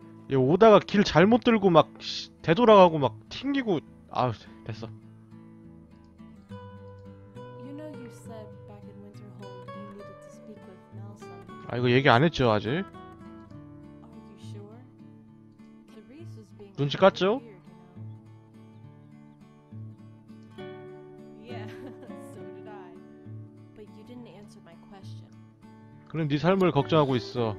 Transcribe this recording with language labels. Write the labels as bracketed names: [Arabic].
[Korean] 얘 오다가 길 잘못 들고 막 되돌아가고 막 튕기고 아 됐어. [English] You know you said back in Winterhold you needed to speak with Nelson. [Korean] 아 이거 얘기 안 했죠 아직? [English] Are you sure? Therese was being [Korean] 눈치 깠죠? [English] Yeah, so did I. But you didn't answer my question. [Korean] 그럼 네 삶을 걱정하고 있어.